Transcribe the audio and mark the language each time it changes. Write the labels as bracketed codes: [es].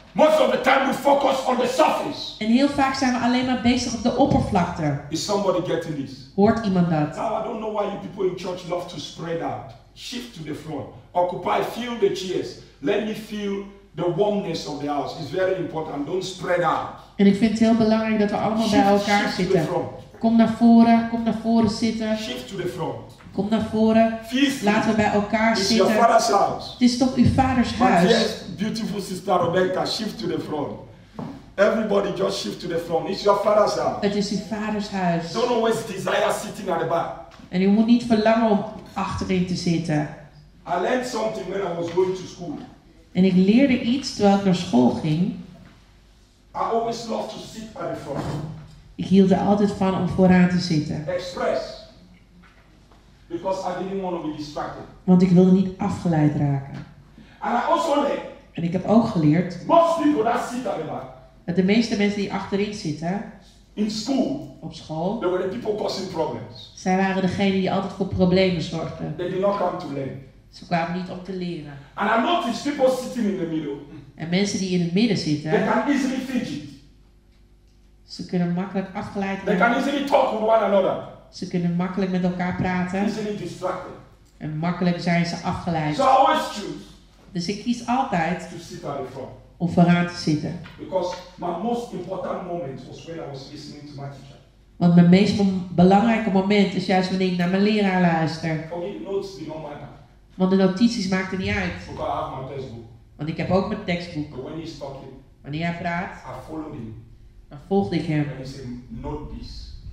[en] Most of the time we focus on the surface. [nl] En heel vaak zijn we alleen maar bezig op de oppervlakte. [en] Is somebody getting this? [nl] Hoort iemand dat? [en] Now I don't know why you people in church love to spread out. Shift to the front. Occupy, feel the chairs. Let me feel the warmness of the house. It's very important. Don't spread out. [nl] En ik vind het heel belangrijk dat we allemaal [en] shift, [nl] bij elkaar [en] shift [nl] zitten. [en] To the front. [nl] Kom naar voren zitten. [en] Shift to the front. [nl] Kom naar voren. Laten we bij elkaar [en] It's [nl] zitten. [en] Your father's house. [nl] Het is toch uw vaders huis. [en] Yes, beautiful sister Rebecca, shift to the front. Everybody just shift to the front. It's your father's house. [nl] Het is uw vaders huis. [en] Don't always desire sitting at the back. [nl] En u moet niet verlangen om achterin te zitten. [en] I learned something when I was going to school. [nl] En ik leerde iets terwijl ik naar school ging. [en] I always love to sit at the front. [nl] Ik hield er altijd van om vooraan te zitten. [en] Express. Because I didn't want to be distracted. [nl] Want ik wilde niet afgeleid raken. [en] And I also learned, [nl] en ik heb ook geleerd. [en] Most people that sit at the back, [nl] dat de meeste mensen die achterin zitten. [en] In school. [nl] Op school. [en] They were the people causing problems. [nl] Zij waren degene die altijd voor problemen zorgden. [en] They did not come to learn. [nl] Ze kwamen niet om te leren. [en] And I noticed people sitting in the middle. [nl] En mensen die in het midden zitten. [en] They can easily fidget. [nl] Ze kunnen makkelijk afgeleid worden. [en] They can easily talk with one another. [nl] Ze kunnen makkelijk met elkaar praten. En makkelijk zijn ze afgeleid. [en] So I always choose. [nl] Dus ik kies altijd [en] to sit at the front. [nl] Om vooraan te zitten. [en] Because my most important moment was when I was listening to my teacher. [nl] Want mijn meest belangrijke moment is juist wanneer ik naar mijn leraar luister. [en] For me, notes do not matter. [nl] Want de notities maakten niet uit. [en] Because I have my textbook. [nl] Want ik heb ook mijn textbook. [en] But when he's talking, [nl] wanneer hij praat, [en] I followed him. [nl] Dan volgde ik hem. [en] And he said, note this.